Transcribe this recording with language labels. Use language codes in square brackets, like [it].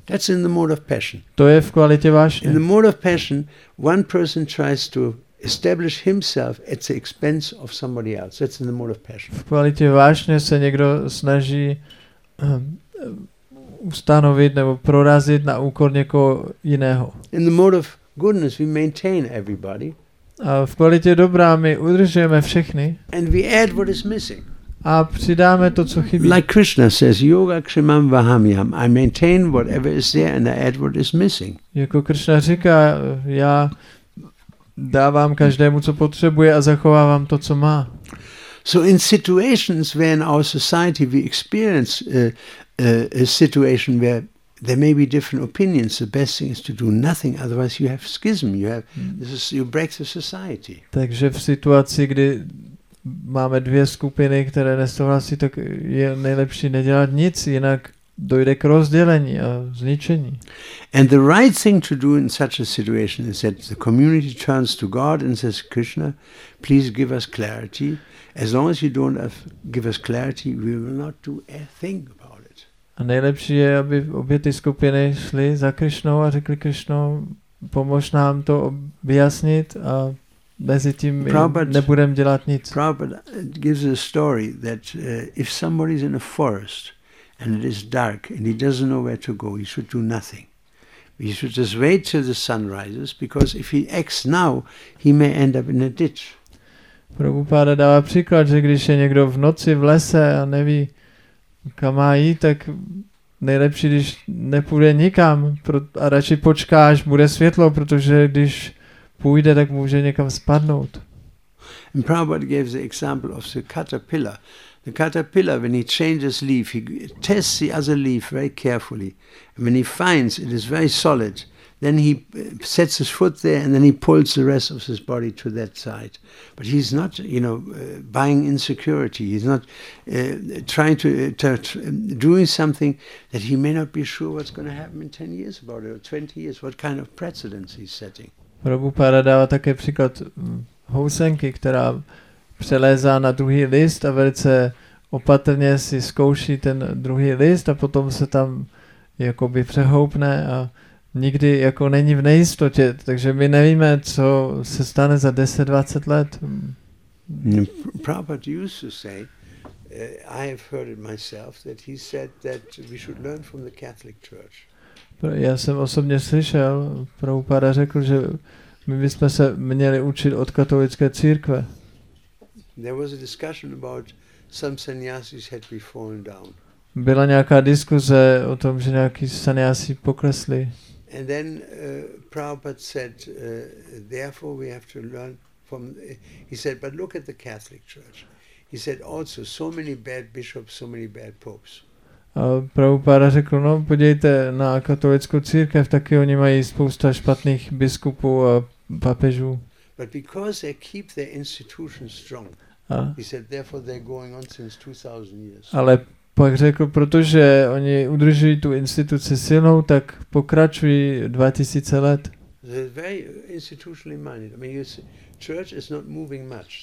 [en] That's in the mode of passion. [cs] To je v kvalitě vášně. [en] In the mode of passion, one person tries to establish himself at the expense of somebody else. That's in the mode of passion. [cs] V kvalitě vášně se někdo snaží ustanovit nebo prorazit na úkor někoho jiného. [en] In the mode of goodness we maintain everybody. [cs] A v kvalitě dobrá my udržujeme všechny. [en] And we add what is missing. [cs] A přidáme to, co chybí. [en] Like Krishna says, [sa] yoga kshemam vahamyam. [en] I maintain whatever is there and I add what is missing. [cs] Jako Krishna říká, já dávám každému, co potřebuje a zachovávám to, co má. [en] So in situations where in our society we experience a situation where there may be different opinions, the best thing is to do nothing, otherwise you have schism, you break the society. [cs] Takže v situaci, kdy máme dvě skupiny, které nesouhlasí, tak je nejlepší nedělat nic, jinak dojde k rozdělení a zničení. [en] And the right thing to do in such a situation is that the community turns to God and says, Krishna, please give us clarity. As long as you don't give us clarity, we will not do a thing about it. [cs] A nejlepší je, aby obě ty skupiny šly za Krišnou a řekli Krišnou, pomož nám to vyjasnit a mezi tím nebudem dělat nic. [en] Prabhupada gives a story that if somebody is in a forest and it is dark and he doesn't know where to go, he should do nothing. He should just wait till the sun rises, because if he acts now, he may end up in a ditch. [cs] Prabhupada dává příklad, že když je někdo v noci v lese a neví, kam má jít, tak nejlepší, když nepůjde nikam a radši počká, až bude světlo, protože když půjde, tak může někam spadnout. [en] And Prabhupada gave the example of the caterpillar. The caterpillar, when he changes leaf, he tests the other leaf very carefully. And when he finds it is very solid, then he sets his foot there and then he pulls the rest of his body to that side. But he's not, you know, buying insecurity. He's not trying to doing something that he may not be sure what's going to happen in 10 years about it or 20 years, what kind of precedence he's setting. [cs] Prabhupada dává také příklad housenky, která přelézá na druhý list a velice opatrně si zkouší ten druhý list a potom se tam jakoby přehoupne a nikdy jako není v nejistotě, takže my nevíme, co se stane za 10-20 let. [en] Prabhupada used to say, I have heard it myself, that he said that we should learn from the Catholic Church. [cs] Já jsem osobně slyšel, Prabhupada řekl, že my bychom se měli učit od katolické církve. [en] There was a discussion about some sannyasis had been fallen down. [cs] Byla nějaká diskuze o tom, že nějaký sannyasi poklesli. [en] And then Prabhupada said, therefore we have to learn from, he said, but look at the Catholic Church. He said, also, so many bad bishops, so many bad popes. [cs] A Prabhupada řekl, no podívejte na katolickou církev, taky oni mají spousta špatných biskupů a papežů. [en] But because they keep their institution strong, he said, therefore they're going on since 2000 years. [cs] Ale pak řekl, protože oni udržují tu instituci silnou, tak pokračují 2000 let. [en] They're very institutionally minded. I mean, the church is not moving much.